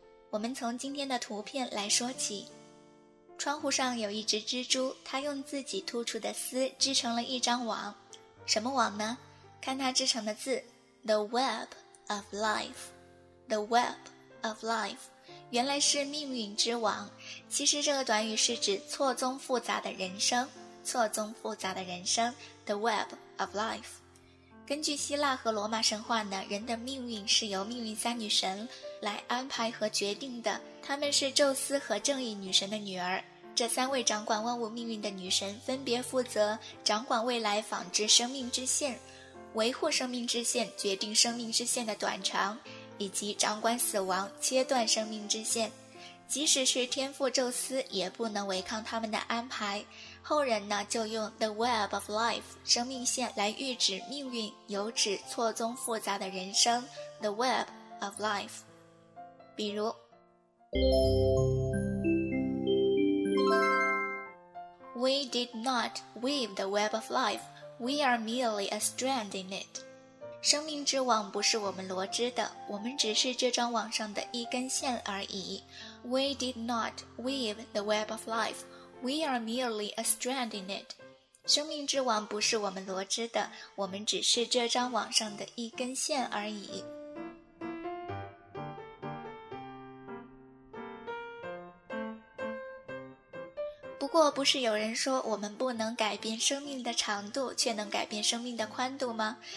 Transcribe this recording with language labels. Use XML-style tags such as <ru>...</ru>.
<zh>我们从今天的图片来说起。窗户上有一只蜘蛛，它用自己吐出的丝织成了一张网。什么网呢？看它织成的字 The web of life。 The web of life 原来是命运之网。其实这个短语是指错综复杂的人生，错综复杂的人生 The web of life。根据希腊和罗马神话呢，人的命运是由命运三女神来安排和决定的，她们是宙斯和正义女神的女儿。这三位掌管万物命运的女神分别负责掌管未来，纺织生命之线，维护生命之线，决定生命之线的短长，以及掌管死亡，切断生命之线。即使是天父宙斯也不能违抗他们的安排。后人呢就用 The web of life 生命线来喻指命运，有指错综复杂的人生 The web of life。</zh> <en>比如We did not weave the web of life, we are merely a strand in it。</en> <zh>生命之网不是我们罗织的，我们只是这张网上的一根线而已。</zh> <en>We did not weave the web of life,We are merely a strand in it.</en> <zh>生命之网不是我们罗织的，我们只是这张网上的一根线而已。不过不是有人说我们不能改变生命的长度，却能改变生命的宽度吗？</zh>